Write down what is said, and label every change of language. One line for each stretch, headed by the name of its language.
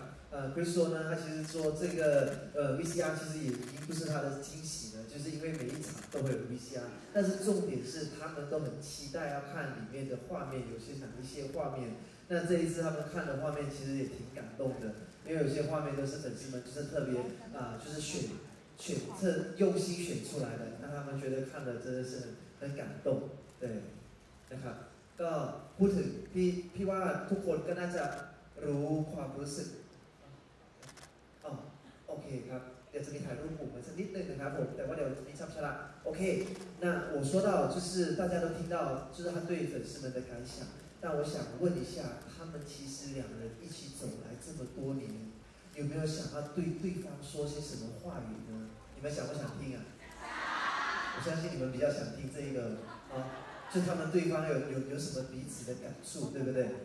Chinese: 啊，Chris 说呢，他其实说这个VCR 其实也已经不是他的惊喜了，就是因为每一场都会有 VCR， 但是重点是他们都很期待要看里面的画面，有些哪一些画面。那这一次他们看的画面其实也挺感动的，因为有些画面都是粉丝们就是特别就是选用心选出来的，让他们觉得看的真的是很感动。对，那看。
Thai: ก็พูดถึงพี่ว่าทุกคนก็น่าจะรู้ความรู้สึกโอเคครับเดี๋ยวจะมีถ่ายรูปผมสักนิดนึงนะครับผมแต่ว่าเดี๋ยวจะมีช็อปชาร์ล
Chinese: OK 那我说到就是大家都听到就是他对粉丝们的感想，但我想问一下，他们其实两人一起走来这么多年，有没有想要对对方说些什么话语呢？你们想不想听啊？我相信你们比较想听这个啊。就他们对方有什么彼此的感触，对不对？